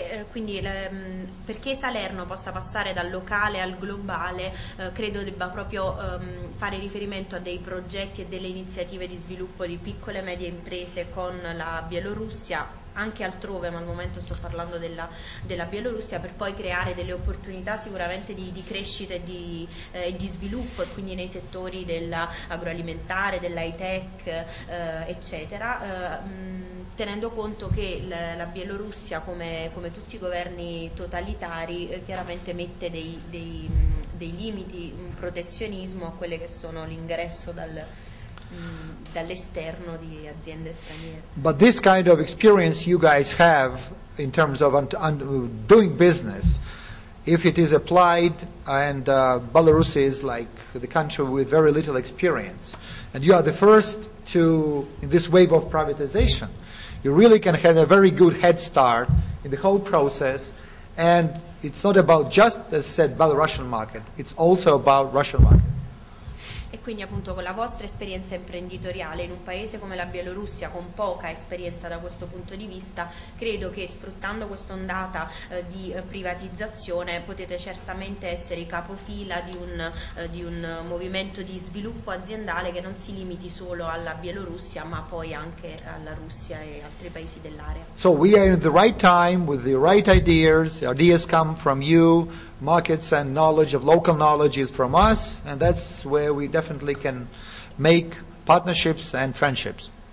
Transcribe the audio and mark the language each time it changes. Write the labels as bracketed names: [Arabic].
[Italian] Quindi perché Salerno possa passare dal locale al globale, credo debba proprio fare riferimento a dei progetti e delle iniziative di sviluppo di piccole e medie imprese con la Bielorussia, anche altrove, ma al momento sto parlando della Bielorussia, per poi creare delle opportunità sicuramente di crescita e di sviluppo, e quindi nei settori dell'agroalimentare, dell'high-tech, eccetera, tenendo conto che la Bielorussia, come tutti i governi totalitari, chiaramente mette dei limiti, un protezionismo a quelle che sono l'ingresso dall'esterno di aziende straniere. [English] But this kind of experience you guys have in terms of doing business if it is applied, and Belarus is like the country with very little experience, and you are the first to, in this wave of privatization, you really can have a very good head start in the whole process. And it's not about, just as said, about the Russian market, it's also about Russian market. [Italian] E quindi appunto con la vostra esperienza imprenditoriale in un paese come la Bielorussia, con poca esperienza da questo punto di vista, credo che sfruttando questa ondata di privatizzazione potete certamente essere i capofila di un movimento di sviluppo aziendale che non si limiti solo alla Bielorussia, ma poi anche alla Russia e altri paesi dell'area. [English] So we are in the right time with the right ideas. The ideas come from you. Markets and knowledge of local knowledge is from us, and that's where we definitely can make partnerships and friendships.